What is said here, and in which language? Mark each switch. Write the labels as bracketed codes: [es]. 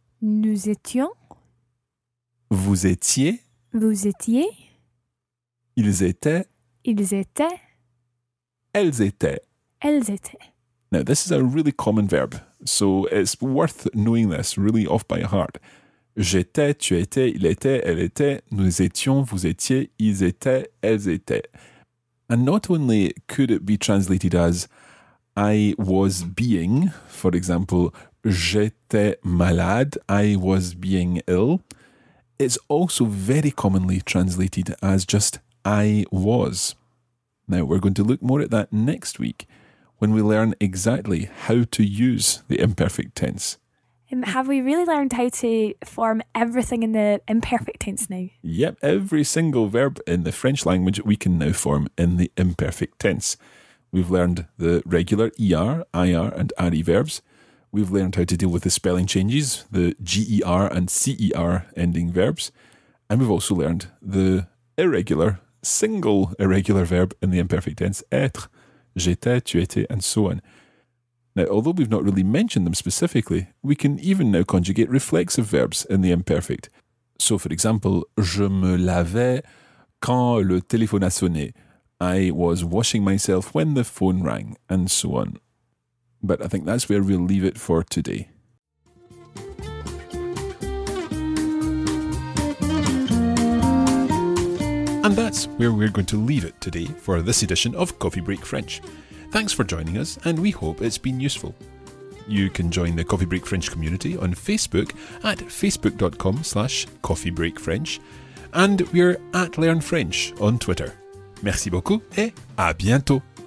[fr] Nous étions. Vous étiez. Vous étiez. Ils étaient. Ils étaient. Elles étaient. Elles étaient. [en] Now, this is a really common verb, so it's worth knowing this really off by heart. [fr] J'étais, tu étais, il était, elle était, nous étions, vous étiez, ils étaient, elles étaient. [en] And not only could it be translated as I was being, for example, [fr] j'étais malade, [en] I was being ill, is also very commonly translated as just I was. Now, we're going to look more at that next week when we learn exactly how to use the imperfect tense. Have we really learned how to form everything in the imperfect tense now? Yep, every single verb in the French language we can now form in the imperfect tense. We've learned the regular ER, IR and RE verbs. We've learned how to deal with the spelling changes, the GER and CER ending verbs. And we've also learned the irregular, single irregular verb in the imperfect tense, être, [fr] j'étais, tu étais [en] and so on. Now, although we've not really mentioned them specifically, we can even now conjugate reflexive verbs in the imperfect. So, for example, [fr] je me lavais quand le téléphone a sonné. [en] I was washing myself when the phone rang, and so on. But I think that's where we'll leave it for today. And that's where we're going to leave it today for this edition of Coffee Break French. Thanks for joining us, and we hope it's been useful. You can join the Coffee Break French community on Facebook at facebook.com/coffeebreakfrench, and we're at Learn French on Twitter. [fr] Merci beaucoup et à bientôt.